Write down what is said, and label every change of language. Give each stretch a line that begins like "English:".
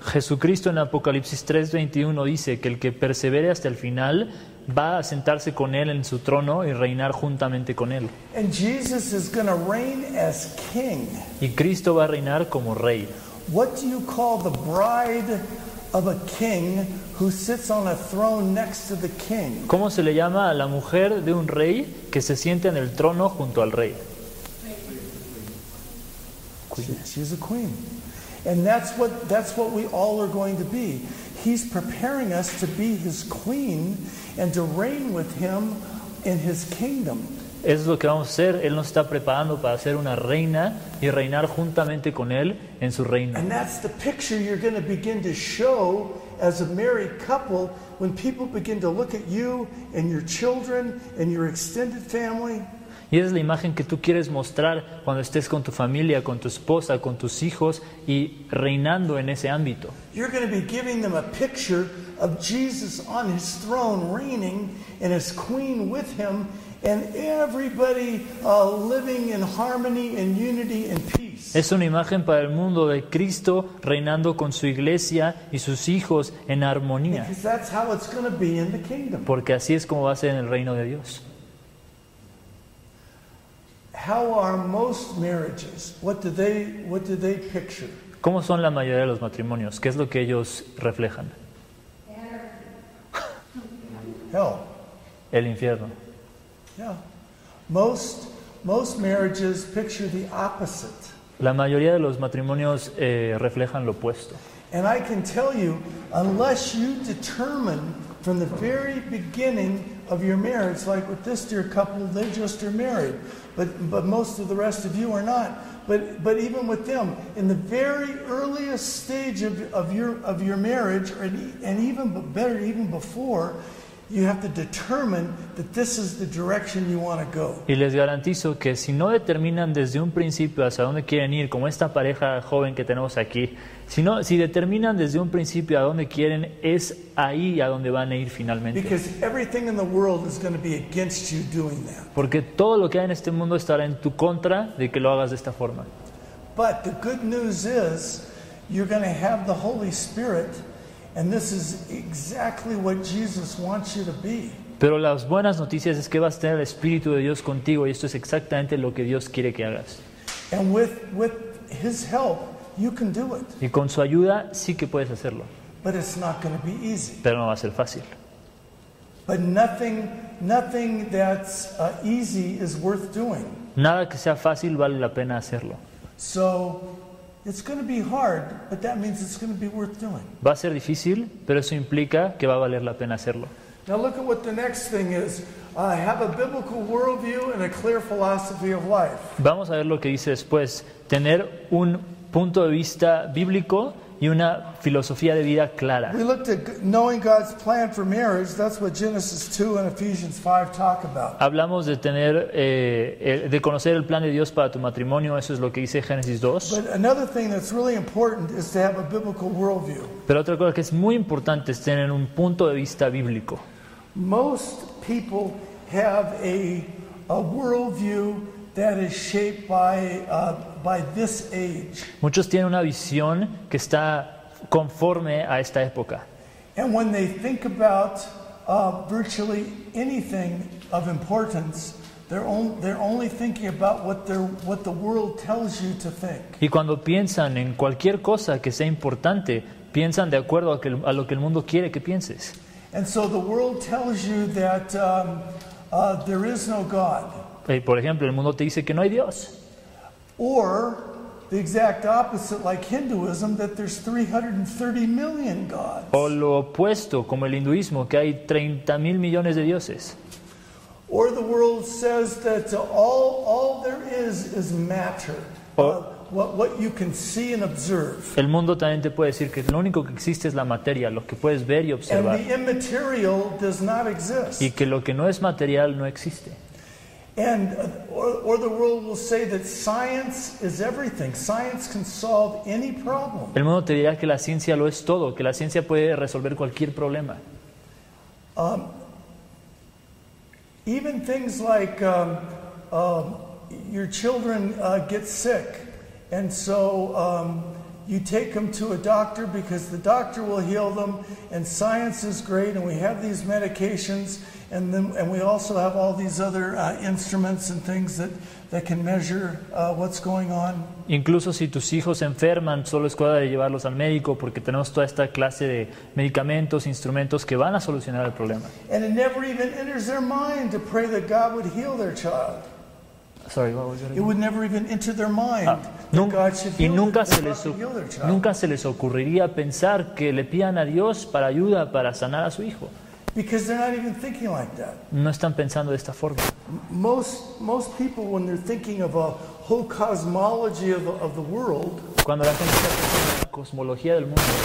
Spanish: Jesucristo en Apocalipsis 3:21 dice que el que persevere hasta el final va a sentarse con él en su trono y reinar juntamente con él.
English: And Jesus is going to reign as king.
Spanish: Y Cristo va a reinar como rey.
English: What do you call the bride of a king who sits on a throne next to the king?
Spanish: ¿Cómo se le llama a la mujer de un rey que se siente en el trono junto al rey?
English: She's a queen. And that's what we all are going to be. He's preparing us to be his queen and to reign with him in his kingdom.
Spanish: Es lo que vamos a hacer. Él nos está preparando para ser una reina y reinar juntamente con Él en su reino.
English: And that's the picture you're going to begin to show as a married couple when people begin to look at you and your children and your extended family.
Spanish: Y es la imagen que tú quieres mostrar cuando estés con tu familia, con tu esposa, con tus hijos y reinando en ese ámbito.
English: You're going to be giving them a picture of Jesus on his throne reigning and his queen with him. And everybody living in harmony and unity and peace.
Spanish: Es una imagen para el mundo de Cristo reinando con su iglesia y sus hijos en armonía.
English: Because that's how it's going to be in the kingdom.
Spanish: Porque así es como va a ser en el reino de Dios.
English: How are most marriages? What do they picture?
Spanish: ¿Cómo son la mayoría de los matrimonios? ¿Qué es lo que ellos reflejan?
English: Hell.
Spanish: El infierno.
English: Yeah, most marriages picture the opposite.
Spanish: La mayoría de los matrimonios reflejan lo opuesto.
English: And I can tell you, unless you determine from the very beginning of your marriage, like with this dear couple, they just are married, but most of the rest of you are not. But even with them, in the very earliest stage of your marriage, and even before. You have to determine that this is the direction you want to go.
Spanish: Y les garantizo que si no determinan desde un principio hacia dónde quieren ir, como esta pareja joven que tenemos aquí, si determinan desde un principio a dónde quieren, es ahí a donde van a ir finalmente.
English: Because everything in the world is going to be against you doing that.
Spanish: Porque todo lo que hay en este mundo estará en tu contra de que lo hagas de esta forma.
English: But the good news is, you're going to have the Holy Spirit. And this is exactly what Jesus wants you to be.
Spanish: Pero las buenas noticias es que vas a tener el Espíritu de Dios contigo y esto es exactamente lo que Dios quiere que hagas.
English: And with his help, you can do it.
Spanish: Y con su ayuda sí que puedes hacerlo.
English: But it's not going to be easy.
Spanish: Pero no va a ser fácil.
English: But nothing that's easy is worth doing.
Spanish: Nada que sea fácil vale la pena hacerlo.
English: So it's going to be hard, but that means it's going to be worth doing.
Spanish: Va a ser difícil, pero eso implica que va a valer la pena hacerlo.
English: Now look at what the next thing is. Have a biblical worldview and a clear philosophy of life.
Spanish: Vamos a ver lo que dice después. Tener un punto de vista bíblico y una filosofía de vida clara.
English: We looked at knowing God's plan for marriage. That's what Genesis 2 and Ephesians 5 talk about.
Spanish: Hablamos de tener de conocer el plan de Dios para tu matrimonio. Eso es lo que dice Génesis 2.
English: But another thing that's really important is to have a biblical worldview.
Spanish: Pero otra cosa que es muy importante es tener un punto de vista bíblico.
English: Most people have a worldview that is shaped by this age.
Spanish: Muchos tienen una visión que está conforme a esta época.
English: And when they think about virtually anything of importance, they're only thinking about what the world tells you to think.
Spanish: Y cuando piensan en cualquier cosa que sea importante, piensan de acuerdo a lo que el mundo quiere que pienses.
English: And so the world tells you that there is no God.
Spanish: Por ejemplo, el mundo te dice que no hay Dios.
English: Or the exact opposite, like Hinduism, that there's 330 million gods.
Spanish: O lo opuesto, como el hinduismo, que hay 30 mil millones de dioses.
English: Or the world says that all there is matter. What you can see and observe.
Spanish: El mundo también te puede decir que lo único que existe es la materia, lo que puedes ver y observar.
English: And the immaterial does not exist.
Spanish: Y que lo que no es material no existe.
English: And or the world will say that science is everything. Science can solve any problem.
Spanish: El mundo te dirá que la ciencia lo es todo, que la ciencia puede resolver cualquier problema.
English: Even things like your children get sick, and so you take them to a doctor because the doctor will heal them, and science is great, and we have these medications. And then, and we also have all these other instruments and things that can measure what's going on.
Spanish: Incluso si tus hijos se enferman, solo es cosa de llevarlos al médico porque tenemos toda esta clase de medicamentos, instrumentos que van a solucionar el problema.
English: And it never even enters their mind to pray that God would heal their child. Sorry, what was that? It would never even enter their mind
Spanish: nunca se les ocurriría pensar que le pidan a Dios para ayuda para sanar a su hijo.
English: Because they're not even thinking like that.
Spanish: No están pensando de esta forma.
English: Most people, when they're thinking of a whole cosmology of the world,
Spanish: cuando la gente está pensando en la cosmología del mundo,